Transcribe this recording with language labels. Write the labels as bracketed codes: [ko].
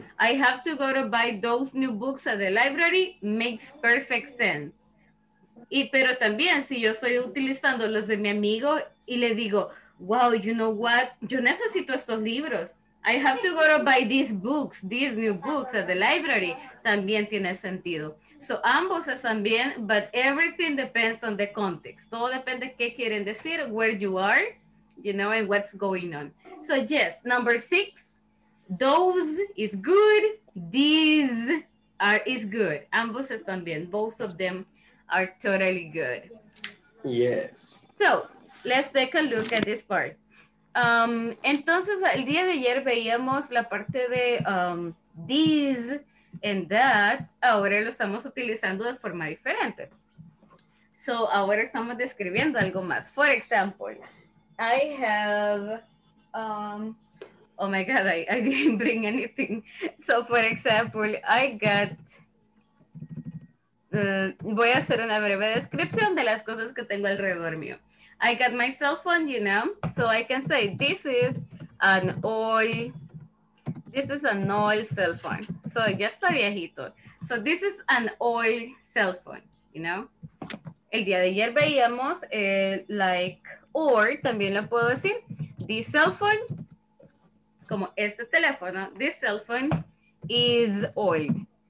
[en] I have to go to buy those new books at the library. Makes perfect sense. [es] Y, pero también, si yo estoy utilizando los de mi amigo y le digo... [en] Wow, you know what? [es] Yo necesito estos libros. [en] I have to go to buy these books, these new books at the library. [es] También tiene sentido. [en] So, [es] ambos están bien, [en] but everything depends on the context. [es] Todo depende qué quieren decir, [en] where you are, you know, and what's going on. So, yes, number six, those is good. These are is good. [es] Ambos están bien. [en] Both of them are totally good. Yes. So, let's take a look at this part. [es] Entonces, el día de ayer veíamos la parte de [en] these and that. [es] Ahora lo estamos utilizando de forma diferente. So, ahora estamos describiendo algo más. [en] For example, I have... oh my God, I didn't bring anything. So, for example, I got... [es] voy a hacer una breve descripción de las cosas que tengo alrededor mío. [en] I got my cell phone, you know, so I can say this is an old cell phone. So [es] ya está viejito. [en] So this is an old cell phone, you know. [es] El día de ayer veíamos también lo puedo decir, [en] this cell phone, [es] como este teléfono, [en] this cell phone is old.